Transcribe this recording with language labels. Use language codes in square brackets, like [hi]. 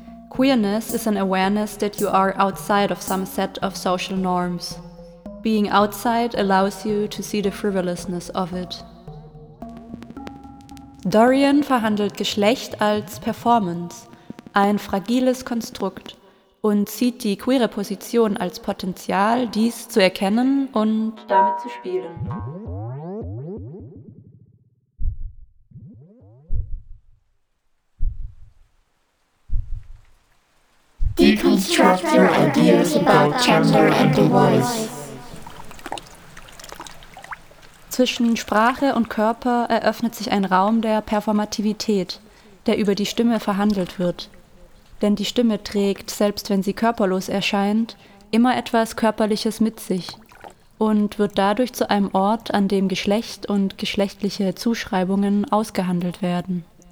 [en] Queerness is an awareness that you are outside of some set of social norms. Being outside allows you to see the frivolousness of it. [de] Dorian verhandelt Geschlecht als Performance, ein fragiles Konstrukt, und sieht die queere Position als Potenzial, dies zu erkennen und damit zu spielen. [en] Deconstruct your ideas about gender and the voice. [de] Zwischen Sprache und Körper eröffnet sich ein Raum der Performativität, der über die Stimme verhandelt wird. Denn die Stimme trägt, selbst wenn sie körperlos erscheint, immer etwas Körperliches mit sich und wird dadurch zu einem Ort, an dem Geschlecht und geschlechtliche Zuschreibungen ausgehandelt werden.